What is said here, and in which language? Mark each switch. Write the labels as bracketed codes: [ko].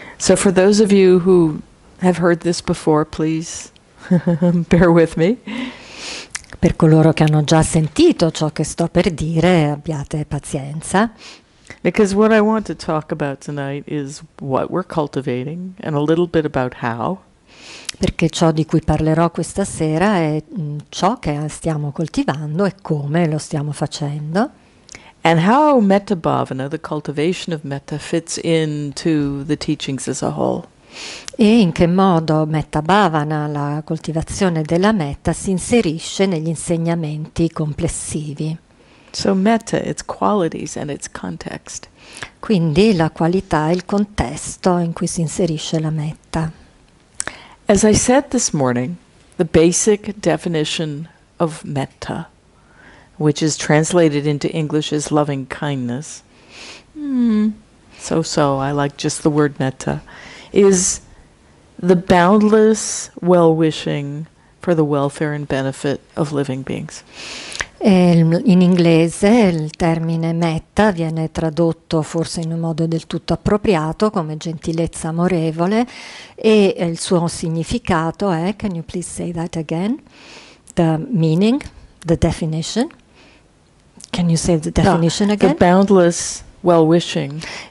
[en] So for those of you who have heard this before, please bear with me. [it] Per coloro che hanno già sentito ciò che sto per dire, abbiate pazienza. [en] Because what I want to talk about tonight is what we're cultivating and a little bit about how. [it] Perché ciò di cui parlerò questa sera è ciò che stiamo coltivando e come lo stiamo facendo. [en] And how metta bhavana, the cultivation of metta, fits into the teachings as a whole. [it] E in che modo metta bhavana, la coltivazione della metta, si inserisce negli insegnamenti complessivi. [en] So metta, its qualities and its context. [it] Quindi la qualità e il contesto in cui si inserisce la metta. [en] As I said this morning, the basic definition of metta, which is translated into English as loving kindness, so I like just the word metta, is the boundless well-wishing for the welfare and benefit of living beings. [it] In inglese il termine metta viene tradotto forse in un modo del tutto appropriato come gentilezza amorevole e il suo significato è, [en] can you please say that again? The meaning, the definition. Can you say the definition again? The boundless well-wishing.